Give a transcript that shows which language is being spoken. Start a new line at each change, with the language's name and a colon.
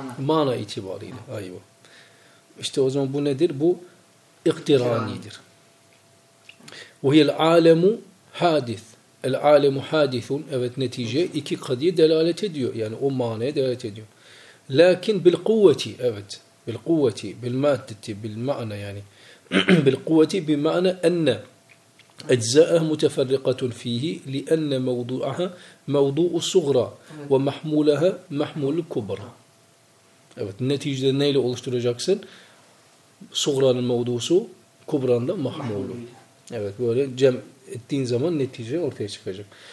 Turkish: Mana itibariyle. Ay bu. İşte o zaman bu nedir? Bu iktiranidir.
Arabic: وَهِيَ الْعَالَمُ حَادِثُ الْعَالَمُ حَادِثٌ.
Turkish: Evet, netice iki kadiye delalet ediyor. Yani o manaya delalet ediyor.
Arabic: لَكِنْ بِالْقُوَّةِ.
Turkish: Evet.
Arabic: بالقوة بالمادة بالمعنى يعني بالقوة بمعنى أن أجزاءه متفرقة فيه لأن موضوعها موضوع صغرى ومحمولها محمول كبرى.
Turkish: Evet, neticede neyle oluşturacaksın? Sugra'nın mevdusu, kubra'nın da mahmulu. Evet, böyle cem ettiğin zaman netice ortaya çıkacak.